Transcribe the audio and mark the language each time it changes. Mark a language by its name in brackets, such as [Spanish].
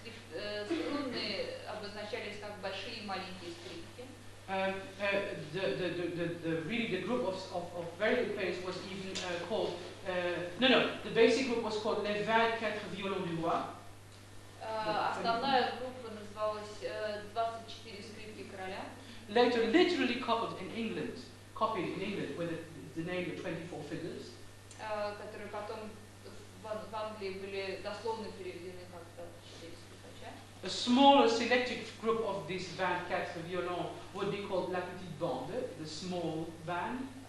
[Russian] Струнные обозначались как большие и маленькие скрипки. [English] The group of very good players was even called the basic group was called les 24 violons du roi. [Russian] Основная группа называлась 24 скрипки короля. [English] Later, literally copied in England with the name of 24 fiddlers. [Russian] Которые потом в Англии были дословно переведены как 24 скрипача. [English] A smaller selected group of this 24 violon would be called la petite bande, the small band.